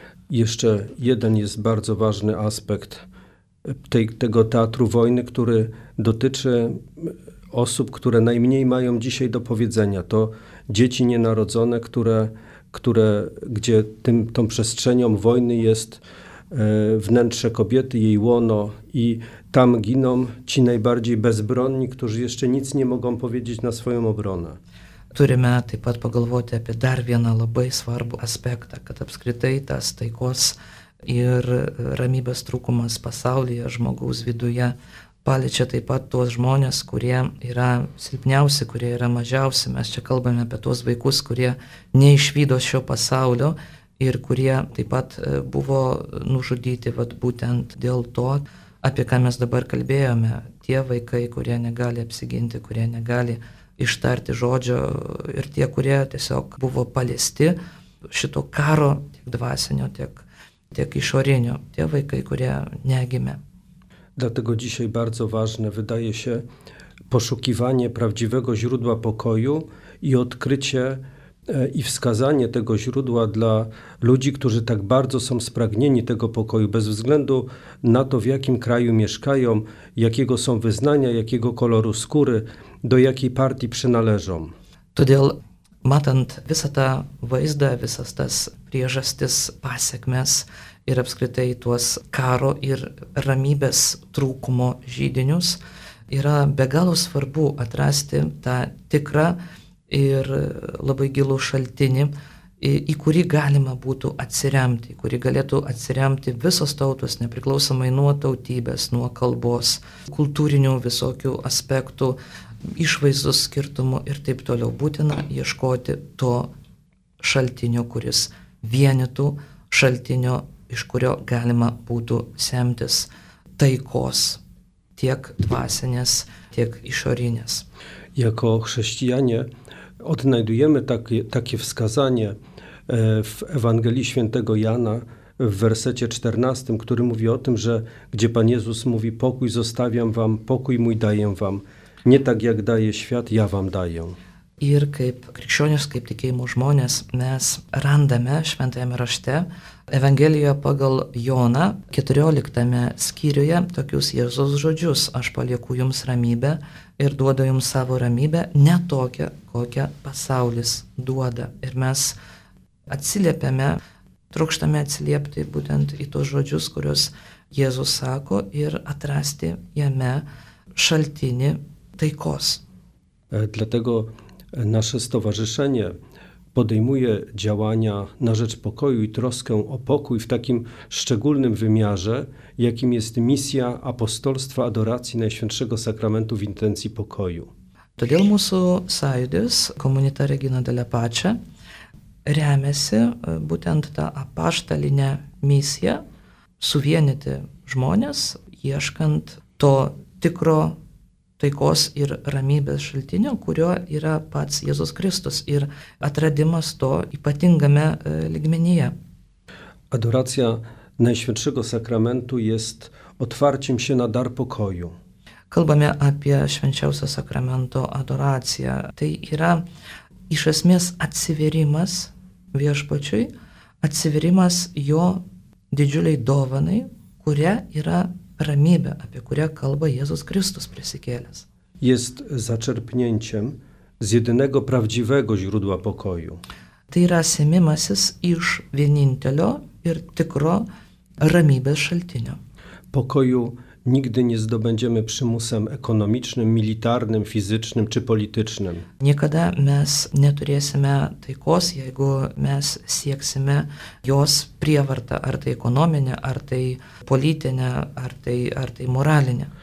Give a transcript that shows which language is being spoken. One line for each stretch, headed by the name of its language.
Polish: Jeszcze jeden jest bardzo ważny aspekt tego teatru wojny, który dotyczy osób, które najmniej mają dzisiaj do powiedzenia. To dzieci nienarodzone, które gdzie tą przestrzenią wojny jest wnętrze kobiety, jej łono i tam giną ci najbardziej bezbronni, którzy jeszcze nic nie mogą powiedzieć na swoją obronę.
Lithuanian: Turime taip pat pagalvoti apie dar vieną labai svarbų aspektą, kad apskritai tas taikos ir ramybės trūkumas pasaulyje žmogaus viduje paliečia taip pat tuos žmonės, kurie yra silpniausi, kurie yra mažiausi. Mes čia kalbame apie tuos vaikus, kurie neišvydo šio pasaulio ir kurie taip pat buvo nužudyti vat, būtent dėl to, apie ką mes dabar kalbėjome. Tie vaikai, kurie negali apsiginti, kurie negali ištarti žodžio ir tie, kurie tiesiog buvo paliesti šito karo tiek dvasinio, tiek išorinio. Tie vaikai, kurie negimė.
Polish: Dlatego dzisiaj bardzo ważne wydaje się poszukiwanie prawdziwego źródła pokoju i odkrycie i wskazanie tego źródła dla ludzi, którzy tak bardzo są spragnieni tego pokoju, bez względu na to, w jakim kraju mieszkają, jakiego są wyznania, jakiego koloru skóry, do jakiej partii przynależą.
Lithuanian: Todėl, matant visą tą vaizdą, visas tas priežastis pasiekmes, ir apskritai tuos karo ir ramybės trūkumo žydinius, yra be galo svarbu atrasti tą tikrą ir labai gilų šaltinį, į kurį galima būtų atsiremti, į kurį galėtų atsiremti visos tautos, nepriklausomai nuo tautybės, nuo kalbos, kultūrinių visokių aspektų, išvaizdos skirtumų ir taip toliau. Būtina ieškoti to šaltinio, kuris vienytų šaltinio, iš kurio galima būtų semtis taikos tiek dvasinės, tiek išorinės.
Polish: Jako chrześcijanie odnajdujemy takie wskazanie w Ewangelii Świętego Jana w wersecie 14, który mówi o tym, że gdzie Pan Jezus mówi: pokój zostawiam wam, pokój mój daję wam, nie tak jak daje świat, ja wam daję.
Lithuanian: Ir kaip krikščionis, kaip tikėjimo žmonės, mes randame šventajame rašte Evangelijoje pagal Joną 14 skyriuje tokius Jėzaus žodžius: aš palieku jums ramybę ir duodu jums savo ramybę, ne tokią, kokią pasaulis duoda. Ir mes atsiliepiame, trukštame atsiliepti būtent į tos žodžius, kuriuos Jėzus sako, ir atrasti jame šaltinį taikos.
Polish: Dlatego nasze stowarzyszenie podejmuje działania na rzecz pokoju i troskę o pokój w takim szczególnym wymiarze, jakim jest misja apostolstwa adoracji Najświętszego Sakramentu w intencji pokoju.
Lithuanian: Todėl mūsų sąjūdis, Komunita Regina de la Pace, remiasi būtent tą apaštalinę misiją suvienyti žmonės, ieškant to tikro taikos ir ramybės šaltinio, kurio yra pats Jėzus Kristus ir atradimas to ypatingame lygmenyje.
Polish: Adoracija Najświętszego Sakramentu jest otwarciem się na dar pokoju.
Lithuanian: Kalbame apie švenčiausio sakramento adoraciją. Tai yra iš esmės atsiverimas viešpačiui, atsiverimas jo didžiuliai dovanai, kuria yra ramybė, apie kurią kalba Jėzus Kristus prisikėlęs.
Polish: Jest začerpnięciem z jedynego prawdziwego źródła pokoju.
Lithuanian: Tai yra semimasis iš vienintelio ir tikro ramybės šaltinio.
Polish: Pokoju nigdy nie zdobędziemy przymusem ekonomicznym, militarnym, fizycznym czy politycznym.
Lithuanian: Niekada mes neturėsime taikos, jeigu mes sieksime jos prievarta, ar tai ekonominė, ar tai politinė, ar tai moralinė.